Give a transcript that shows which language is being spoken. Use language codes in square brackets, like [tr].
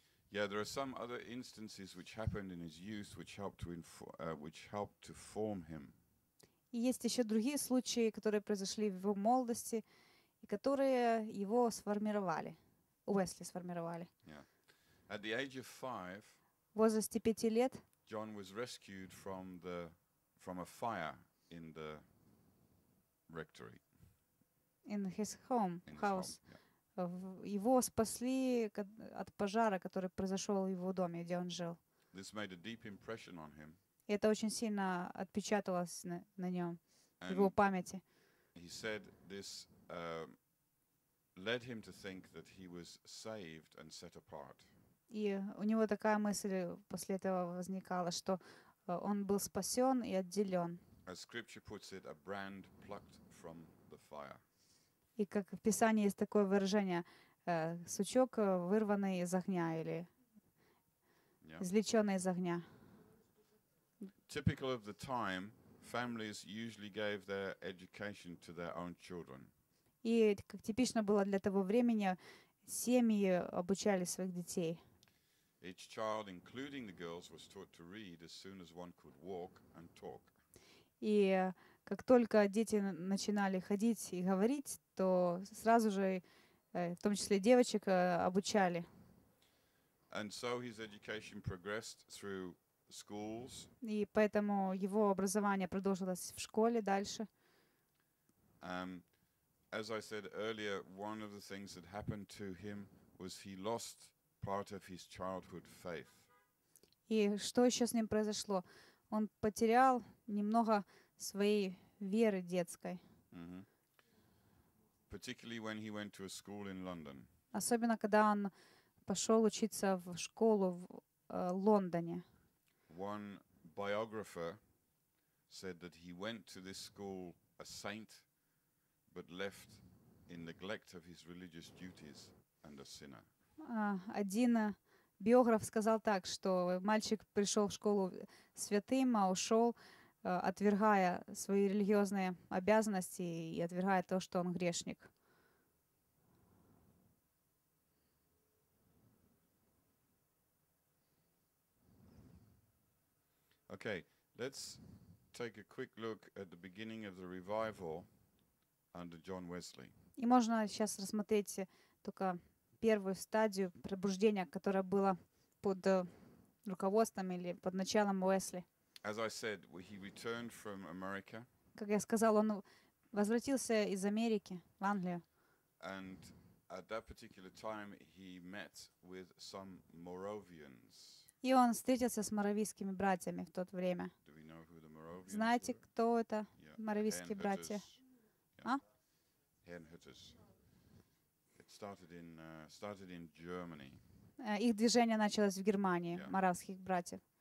[en] Yeah, there are some other instances which happened in his youth which helped to form him. [ru] Есть ещё другие случаи, которые произошли в его молодости и которые его сформировали. Уэсли сформировали. [en] Yeah. At the age of 5, [ru] в возрасте 5 лет, [en] John was rescued from a fire in the rectory. In his home, in house. His home, yeah. [ru] Его спасли от пожара, который произошел в его доме, где он жил. [en] This made a deep impression on him. [ru] И это очень сильно отпечаталось на нем, в его памяти. [en] He said this led him to think that he was saved and set apart. [ru] И у него такая мысль после этого возникала, что он был спасен и отделен. [en] As scripture puts it, a brand plucked from the fire. [ru] И как в Писании есть такое выражение, сучок вырванный из огня или извлеченный из огня. [en] Typical of the time, families usually gave their education to their own children. [ru] И как типично было для того времени, семьи обучали своих детей. [en] Each child, including the girls, was taught to read as soon as one could walk and talk. [ru] И как только дети начинали ходить и говорить, то сразу же, в том числе девочек, обучали. [en] And so his education progressed through schools. [ru] И поэтому его образование продолжилось в школе дальше. [en] As I said earlier, one of the things that happened to him was he lost part of his childhood faith. [ru] И что еще с ним произошло? Он потерял немного своей веры детской. [en] Particularly when he went to a school in London. [ru] Особенно когда он пошел учиться в школу в Лондоне. [en] One biographer said that he went to this school a saint, but left in neglect of his religious duties and a sinner. [ru] Один биограф сказал так, что мальчик пришел в школу святым, а ушел, отвергая свои религиозные обязанности и отвергая то, что он грешник. [en] Okay, let's take a quick look at the beginning of the revival under John Wesley. [ru] И можно сейчас рассмотреть только первую стадию пробуждения, которая была под руководством или под началом Уэсли. [en] As I said, he returned from America. [ru] Как я сказал, он возвратился из Америки в Англию. [en] And at that particular time he met with some Moravians. [ru] И он встретился с моравийскими братьями в тот время. [en] Do we know who the Moravians [ru] Знаете, [en] were? [ru] Кто это? Yeah. Моравийские братья? [en] Henhutters. It started in Germany. [ru] Их движение началось в Германии, моравских братьев.